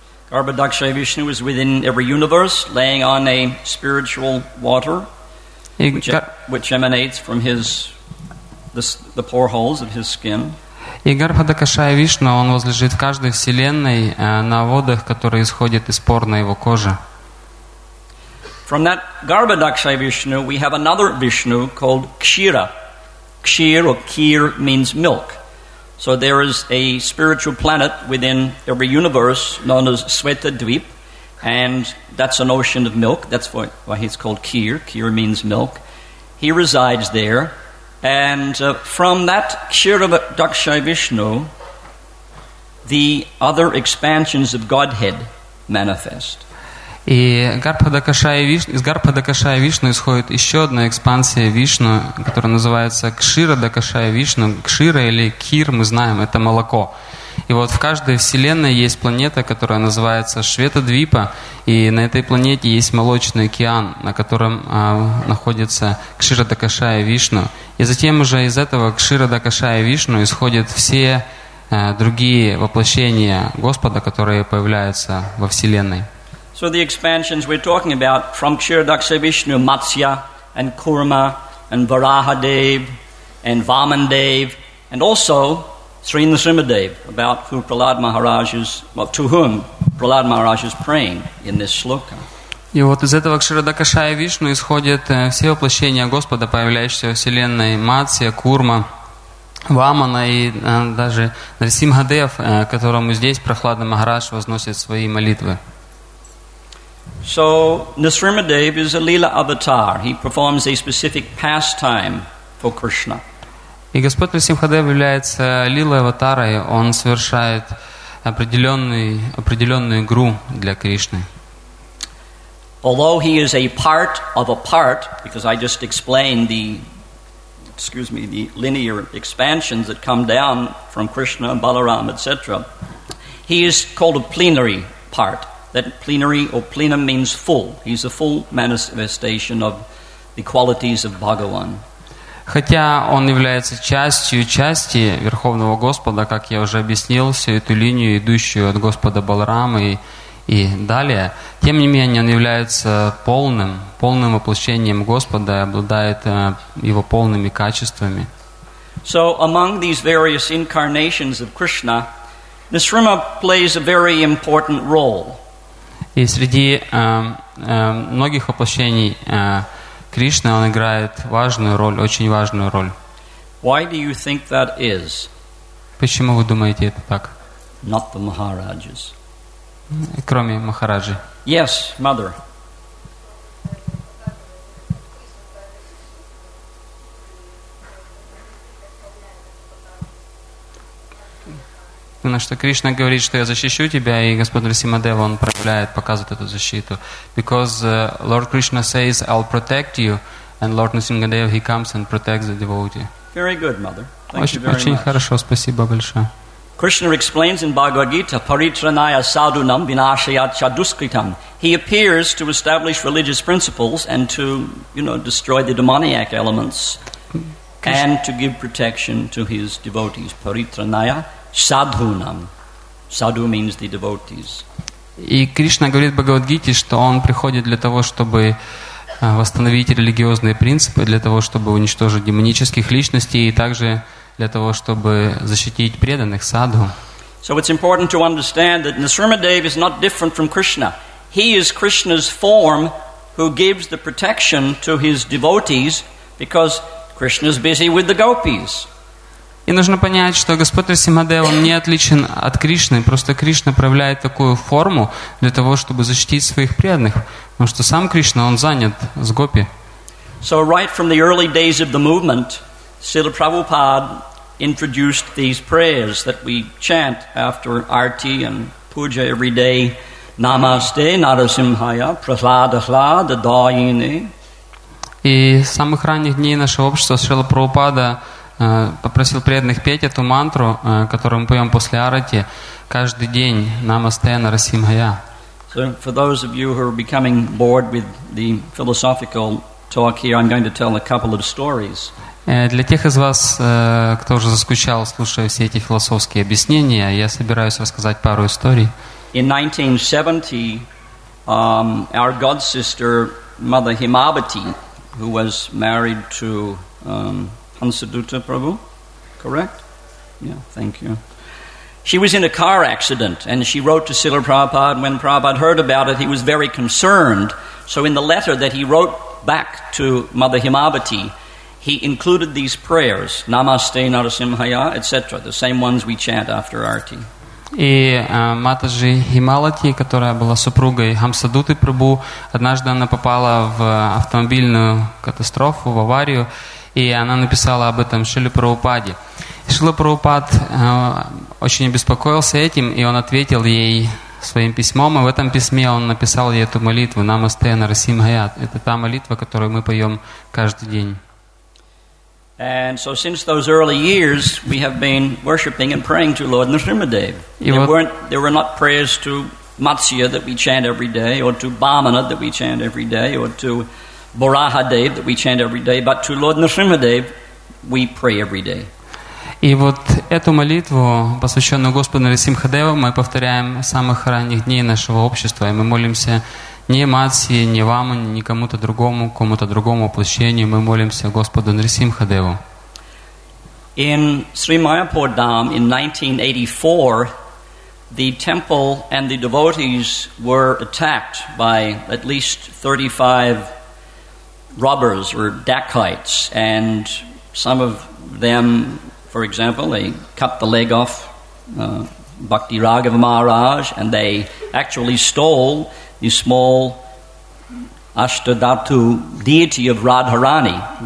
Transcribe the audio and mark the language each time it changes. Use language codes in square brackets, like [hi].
[en] Garbhadakshaya Vishnu is within every universe, laying on a spiritual water, which emanates from his the pore holes of his skin. [ru] И Гарбхадакшая Вишна, он возлежит в каждой вселенной на водах, которые исходят из пор на его коже. [en] From that Garbhadakshaya Vishnu, we have another Vishnu called Kshira. Kshir or Kheer means milk. So there is a spiritual planet within every universe known as Svetadvip, and that's an ocean of milk. That's why he's called Kheer. Kheer means milk. He resides there. And from that Kshiradakshaya Vishnu, the other expansions of Godhead manifest. [ru] И из Гарбхадакшая Вишну исходит еще одна экспансия Вишну, которая называется Кширадакшая Вишну. Кшира или Кир, мы знаем, это молоко. И вот в каждой вселенной есть планета, которая называется Шветадвипа, и на этой планете есть молочный океан, на котором находится Кширадакшая Вишну. И затем уже из этого Кширадакшая Вишну исходят все другие воплощения Господа, которые появляются во вселенной. [en] So the expansions we're talking about from Kshiradakshaya Vishnu, Matsya and Kurma and Varahadev and Vamandev and also Sri Nrisimhadev, about who Prahlad Maharaj is, well, to whom Prahlad Maharaj is praying in this sloka. [ru] И вот из этого Кширадакшая Вишну исходят все воплощения Господа, появляющиеся во вселенной: Матсья, Курма, Вамана и даже Нрисимхадев, которому здесь Прахлада Махарадж возносит свои молитвы. [en] So Nrisimhadev is a lila avatar. He performs a specific pastime for Krishna. [ru] И Господь Нрисимхадев является лилой аватарой, он совершает определенную игру для Кришны. [en] Although he is a part of a part, because I just explained the linear expansions that come down from Krishna, Balaram, etc., he is called a plenary part. That plenary or plenum means full. He's a full manifestation of the qualities of Bhagavan. [ru] Хотя он является частью части Верховного Господа, как я уже объяснил, всю эту линию, идущую от Господа Баларамы и далее, тем не менее он является полным воплощением Господа и обладает его полными качествами. [en] So among these various incarnations of Krishna, Nrisimha plays a very important role. [ru] И среди многих воплощений Кришна, он играет важную роль, очень важную роль. [en] Why do you think that is? [ru] Почему вы думаете это так? [en] Not the Maharajas. [ru] Кроме Махараджи. [en] Yes, mother. [ru] Потому что Кришна говорит, что я защищу тебя, и Господь Нарсимхадева, он проявляет, показывает эту защиту. [en] Because Lord Krishna says, I'll protect you, and Lord Nrsimhadev, he comes and protects the devotee. Very good, mother. Thank [ru] очень, [en] you very [ru] очень [en] much. [ru] Хорошо, спасибо большое. [en] Krishna explains in Bhagavad Gita, [sa] Paritranaya Sadhunam Vinashayat Chaduskritam. [en] He appears to establish religious principles and to, you know, destroy the demoniac elements and to give protection to his devotees. [sa] Paritranaya Sadhunam. [en] Sadhu means the devotees. [ru] И Кришна говорит в Бхагавад Гите, что он приходит для того, чтобы восстановить религиозные принципы, для того, чтобы уничтожить демонических личностей и также для того, чтобы защитить преданных садху. [en] So it's important to understand that Nrsimhadev is not different from Krishna. He is Krishna's form who gives the protection to his devotees because Krishna is busy with the gopis. [ru] И нужно понять, что Господь Нрсимхадев не отличен от Кришны, просто Кришна проявляет такую форму для того, чтобы защитить своих преданных, потому что сам Кришна, он занят с гопи. [en] So right from the early days of the movement, Srila Prabhupada introduced these prayers that we chant after arti and puja every day. [sa] Namaste Narasimhaya Prasadahla Dadayine. [ru] И с самых ранних дней нашего общества Srila Prabhupada попросил преданных петь эту мантру, которую мы поем после арати, каждый день. [sa] Намасте Нарасимхая. [en] So for those of you who are becoming bored with the philosophical talk here, I'm going to tell a couple of stories. [ru] Для тех из вас, кто уже заскучал, слушая все эти философские объяснения, я собираюсь рассказать пару историй. [en] In 1970, our god sister Mother Himavati, who was married to Hansadutta Prabhu, correct? Yeah, thank you. She was in a car accident, and she wrote to Srila Prabhupada. When Prabhupada heard about it, he was very concerned. So in the letter that he wrote back to Mother Himavati, he included these prayers, Namaste Narasimhaya, etc., the same ones we chant after arti. [ru] И Матаджи Хималати, которая была супругой Хамсадуты Прабу, однажды она попала в автомобильную катастрофу, в аварию, и она написала об этом Шриле Прабхупаде. Шрила Прабхупад очень обеспокоился этим, и он ответил ей своим письмом, и в этом письме он написал ей эту молитву, Намасте Нарасимхая. Это та молитва, которую мы поем каждый день. [en] And so since those early years, we have been worshipping and praying to Lord Nrsimhadev. There were not prayers to Matsya that we chant every day, or to Bhamana that we chant every day, or to Borahadev that we chant every day, but to Lord Nrsimhadev, we pray every day. [ru] И вот эту молитву, посвященную Господу Нрсимхадеву, мы повторяем с самых ранних дней нашего общества, и мы молимся ни Матси, ни вам, ни кому-то другому, кому-то другому воплощению. Мы молимся Господу Нрсимхадеву. [en] In Sri Mayapur Dam in 1984, the temple and the devotees were attacked by at least 35 robbers or dacoits, and some of them, for example, they cut the leg off Bhakti Raghava Maharaj, and they actually stole the small Ashtadhatu deity of Radharani.